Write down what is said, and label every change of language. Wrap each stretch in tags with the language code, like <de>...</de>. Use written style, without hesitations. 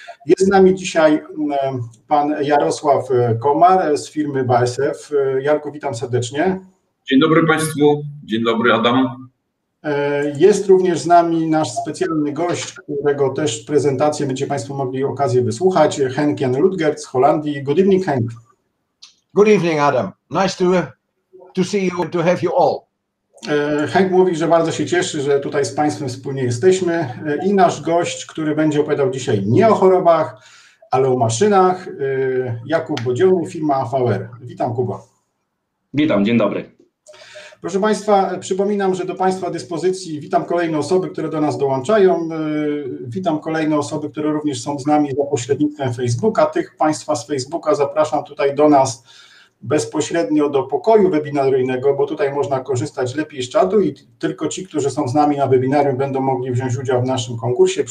<pl>Jest z nami dzisiaj pan Jarosław Komar z firmy BASF. Jarku, witam serdecznie. Dzień dobry Państwu. Dzień dobry, Adam. Jest również z nami nasz specjalny gość, którego też prezentację będzie Państwo mogli okazję wysłuchać, Henk Jan Rutgert z Holandii.</pl> <en>Good evening, Henk. Good evening, Adam. Nice to see you and to have you all.</en> <pl>Henk mówi, że bardzo się cieszy, że tutaj z Państwem wspólnie jesteśmy i nasz gość, który będzie opowiadał dzisiaj nie o chorobach, ale o maszynach, Jakub Bodziony, firma AVR. Witam, Kuba. Witam, dzień dobry. Proszę Państwa, przypominam, że do Państwa dyspozycji witam kolejne osoby, które do nas dołączają, witam kolejne osoby, które również są z nami za pośrednictwem Facebooka, tych Państwa z Facebooka zapraszam tutaj do nas bezpośrednio do pokoju webinaryjnego, bo tutaj można korzystać lepiej z czatu i tylko ci, którzy są z nami na webinarium będą mogli wziąć udział w naszym konkursie.</pl>